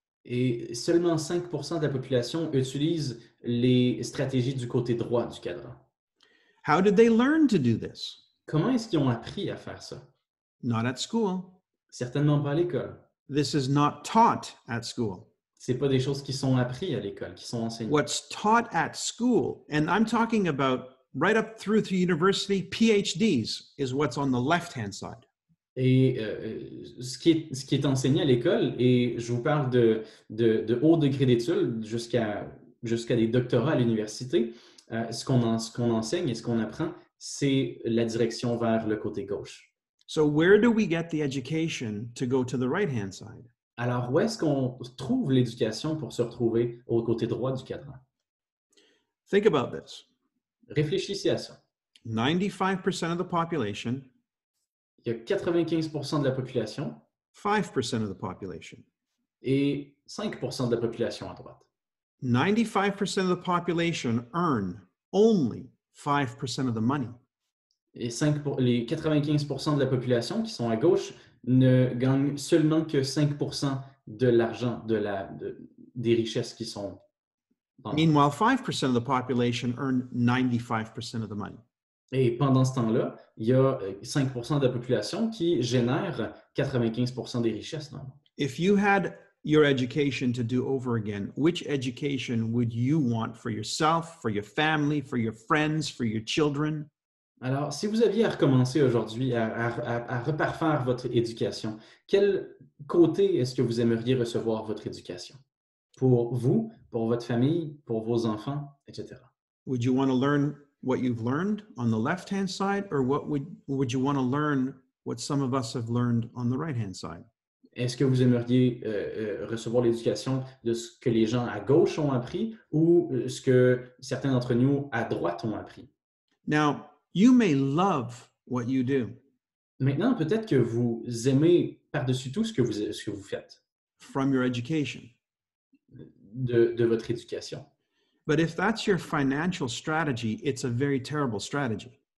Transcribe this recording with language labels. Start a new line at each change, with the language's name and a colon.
French: Et seulement 5% de la population utilise les stratégies du côté droit du cadran.
English: How did they learn to do this?
French: Comment est-ce qu'ils ont appris à faire ça?
English: Not at school.
French: Certainement pas à l'école.
English: This is not taught at school.
French: C'est pas des choses qui sont apprises à l'école, qui sont enseignées.
English: What's taught at school, and I'm talking about right up through to university, PhDs is what's on the left-hand side.
French: Et ce qui est enseigné à l'école, et je vous parle de haut degré d'études jusqu'à des doctorats à l'université, ce qu'on enseigne et ce qu'on apprend, c'est la direction vers le côté gauche.
English: So where do we get the education to go to the right-hand side?
French: Alors, où est-ce qu'on trouve l'éducation pour se retrouver au côté droit du cadran?
English: Think about this.
French: Réfléchissez à ça.
English: 95% of the population.
French: Il y a 95% de la population.
English: 5% of the population.
French: Et 5% de la population à droite.
English: 95% of the population earn only 5% of the money.
French: Et les 95% de la population qui sont à gauche ne gagnent seulement que 5% de l'argent, des richesses qui sont...
English: Meanwhile, 5% of the population earn 95% of the money.
French: Et pendant ce temps-là, il y a 5% de la population qui génère 95% des richesses. Non?
English: If you had your education to do over again, which education would you want for yourself, for your family, for your friends, for your children?
French: Alors, si vous aviez à recommencer aujourd'hui, à reparfaire votre éducation, quel côté est-ce que vous aimeriez recevoir votre éducation? Pour vous, pour votre famille, pour vos enfants, etc.
English: Would you want to learn what you've learned on the left-hand side, or would you want to learn what some of us have learned on the right-hand side?
French: Est-ce que vous aimeriez recevoir l'éducation de ce que les gens à gauche ont appris, ou ce que certains d'entre nous à droite ont appris?
English: Now, you may love what you do.
French: Maintenant, peut-être que vous aimez par-dessus tout ce que vous faites.
English: From your education.
French: De votre éducation.
English: But if that's your financial strategy, it's a very terrible strategy.